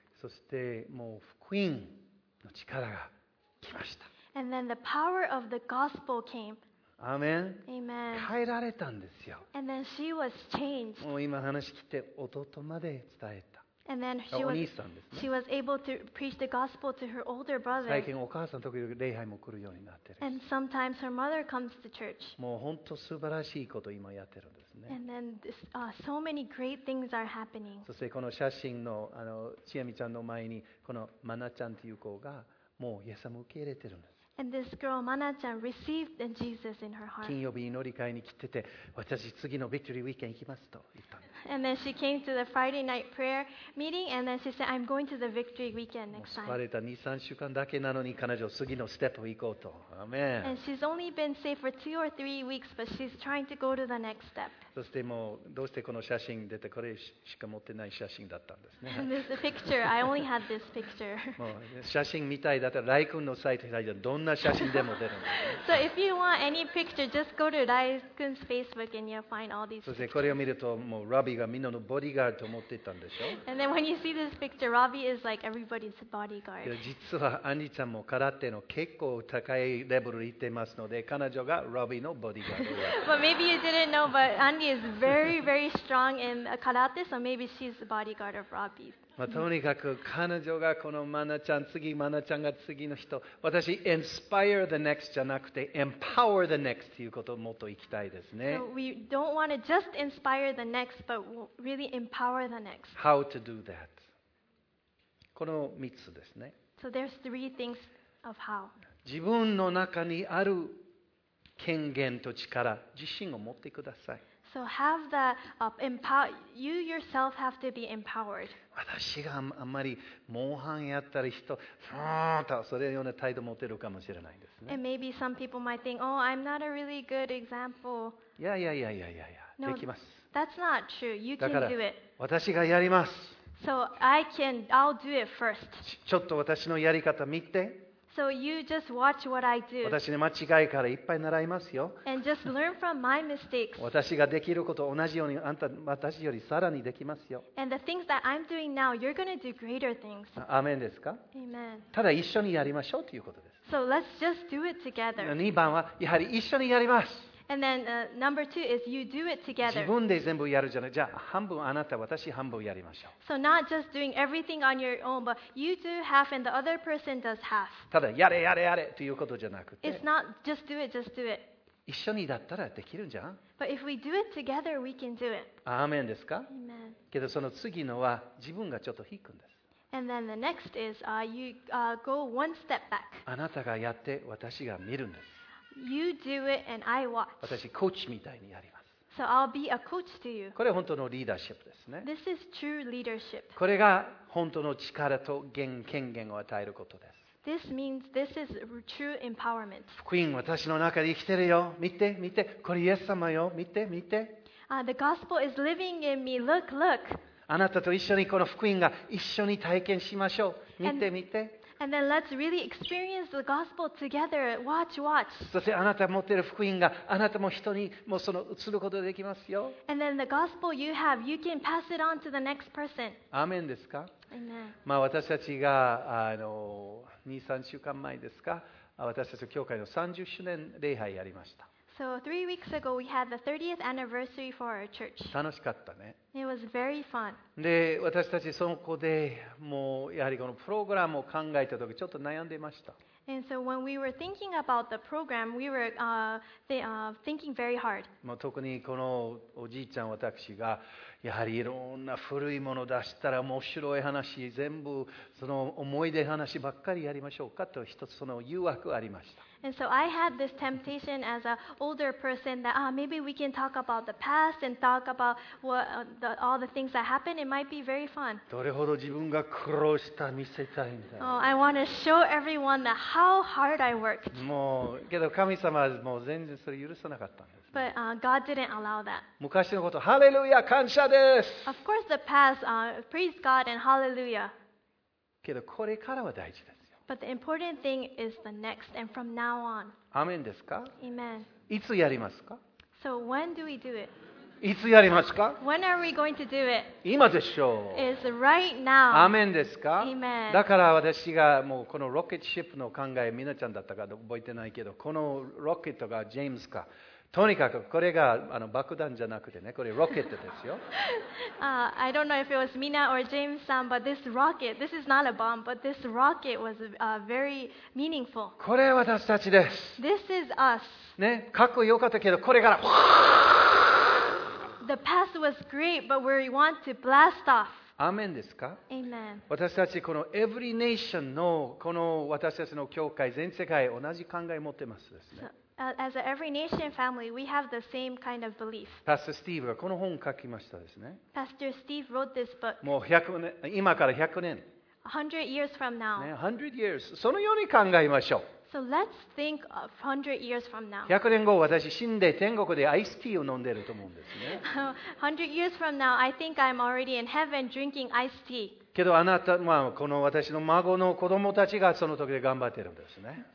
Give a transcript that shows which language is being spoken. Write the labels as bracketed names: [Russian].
[Japanese] そしてもう福音の力が来ました。 [English] And then the power of the gospel came. Amen. Amen. [Japanese] 変えられたんですよ。 [English] And then she was changed. [Japanese] もう今話聞いて弟まで伝えた。 [English] And then she was able to preach the gospel to her older brother. [Japanese] 最近お母さん時々礼拝も来るようになってる。 [English] And sometimes her mother comes to church. [Japanese] もう本当素晴らしいこと今やってるんですね。 [English] And then this, so many great things are happening. [Japanese] そしてこの写真の、あの、ちえみちゃんの前にこのマナちゃんという子がもうイエス様受け入れてるんです。 [English] And this girl, Mana chan, received Jesus in her heart. [Japanese] 金曜日祈り会に来てて、私次のビクトリーウィーケン行きますと言ったんです。 [English] And then she came to the Friday night prayer meeting, and then she said, I'm going to the victory weekend next time. [Japanese] 救われた 2、3 週間だけなのに、彼女次のステップ行こうと。 [English] Amen. And she's only been safe for 2 or 3 weeks, but she's trying to go to the next step. [Japanese] そしてもう、どうしてこの写真出て、これしか持ってない写真だったんですね。 [English] And this picture, I only had this picture. [Japanese] もう写真みたいだったら、ライ君のサイト開いて、どんな写真でも出るんです。 [English] So if you want any picture, just go to ライ君's Facebook and you'll find all these pictures. [Japanese] そしてこれを見ると、もうラビがみんなのボディーガードと思っていたんでしょ。 [English] And then when you see this picture, Robbie is like everybody's bodyguard. [Japanese] 実はアンリちゃんも空手の結構高いレベルに行ってますので、彼女がロビーのボディーガードです。 [English] But maybe you didn't know, but Andy is very, very strong in karate, so maybe she's the bodyguard of Robbie. [Japanese] まあ、とにかく彼女がこのマナちゃん、次マナちゃんが次の人、私、 [English] inspire the next [Japanese] じゃなくて、 [English] empower the next [Japanese] ということをもっと行きたいですね。 [English] So we don't want to just inspire the next, but really empower the next. How to do that? [Japanese] この3つですね。 [English] So there's three things of how. [Japanese] 自分の中にある権限と力、自信を持ってください。 [English] So have that empower. You yourself have to be empowered. [Japanese] 私があんまりモンハンやったり人、ふーんとそれような態度持てるかもしれないですね。 [English] And maybe some people might think, oh, I'm not a really good example. Yeah, yeah, yeah, yeah, yeah, yeah. No, [Japanese] できます。 [English] That's not true. You can do it. [Japanese] だから私がやります。 [English] So I can. I'll do it first. [Japanese] ちょっと私のやり方見て。 [English] So you just watch what I do. [Japanese] 私の間違いからいっぱい習いますよ。 [English] And just learn from my mistakes. [Japanese] 私ができること同じようにあんた私よりさらにできますよ。 [English] And the things that I'm doing now, you're going to do greater things. [Japanese] アーメンですか？ [English] Amen. [Japanese] ただ一緒にやりましょうということです。 [English] So let's just do it together. [Japanese] 2番はやはり一緒にやります。 [English] And then number two is you do it together. [Japanese] 自分で全部やるじゃない。じゃあ半分あなた、私半分やりましょう。 [English] So not just doing everything on your own, but you do half and the other person does half. [Japanese] ただやれやれやれということじゃなくて。 [English] It's not just do it, just do it. [Japanese] 一緒にだったらできるんじゃん。 [English] But if we do it together, we can do it. [Japanese] アーメンですか？ [English] Amen. [Japanese] けどその次のは自分がちょっと引くんです。 [English] And then the next is you go one step back. [Japanese] あなたがやって私が見るんです。 [English] You do it and I watch. [Japanese] 私コーチみたいにやります。 [English] So I'll be a coach to you. [Japanese] これ本当のリーダーシップですね。 [English] This is true leadership. [Japanese] これが本当の力と権限を与えることです。 [English] This means this is true empowerment. [Japanese] 福音私の中で生きてるよ。見て見て。これイエス様よ。見て見て。 [English] The gospel is living in me. Look, look. [Japanese] あなたと一緒にこの福音が一緒に体験しましょう。見て見て。 [English] And then let's really experience the gospel together. Watch, watch. [Japanese] そしてあなた持ってる福音があなたも人にもその移ることができますよ。 [English] And then the gospel you have, you can pass it on to the next person. [Japanese] アーメンですか？ [English] Amen. [Japanese] まあ私たちが2、3週間前ですか、私たち教会の30周年礼拝やりました。 [English] So 3 weeks ago we had the 30th anniversary for our church. [Japanese] 楽しかったね。 [English] It was very fun. [Japanese] で、私たちそこでもうやはりこのプログラムを考えた時ちょっと悩んでました。 [English] And so when we were thinking about the program, we were thinking very hard. [Japanese] もう特にこのおじいちゃん私がやはりいろんな古いもの出したら面白い話全部その思い出話ばっかりやりましょうかと一つその誘惑ありました。 [English] And so I had this temptation as an older person that maybe we can talk about the past and talk about what, all the things that happened. It might be very fun. [Japanese] どれほど自分が苦労した見せたいんだ。 [English] Oh, I want to show everyone that how hard I worked. [Japanese] もうけど神様はもう全然それ許さなかったんです。 [English] But God didn't allow that. [Japanese] 昔のこと、ハレルヤ感謝です。 [English] Of course, the past, praise God and hallelujah. [Japanese] けどこれからは大事です。 [English] But the important thing is the next and from now on. [Japanese] アメンですか？ [English] Amen. [Japanese] いつやりますか？ [English] So when do we do it? [Japanese] いつやりますか？ [English] When are we going to do it? [Japanese] 今でしょう。 [English] It's right now. [Japanese] アメンですか？ [English] Amen. [Japanese] だから私がもうこのロケットシップの考え、ミナちゃんだったか覚えてないけど、このロケットがジェームズか。とにかくこれがあの爆弾じゃなくてね、これロケットですよ。 [English] I don't know if it was Mina or James San, but this rocket, this is not a bomb, but this rocket was very meaningful. [Japanese] これ私たちです。 [English] This is us. [Japanese] ね、かっこよかったけど、これから。 [English] The past was great, but we want to blast off. [Japanese] アーメンですか？ [English] Amen. [Japanese] 私たちこの Every Nation のこの私たちの教会全世界同じ考え持ってますですね。 [English] As a Every Nation family, we have the same kind of belief. [Japanese] Pastor Steve がこの本を書きましたですね。 [English] Pastor Steve wrote this book. [Japanese] もう100年、今から100年。 [English] 100 years from now. [Japanese] ね、 [English] 100 years。 [Japanese] そのように考えましょう。 [English] So let's think of 100 years from now. [Japanese] 100年後、私死んで天国でアイスティーを飲んでると思うんですね。 [English] 100 years from now, I think I'm already in heaven drinking iced tea. [Japanese] けどあなた、まあ、この私の孫の子供たちがその時で頑張ってるんですね。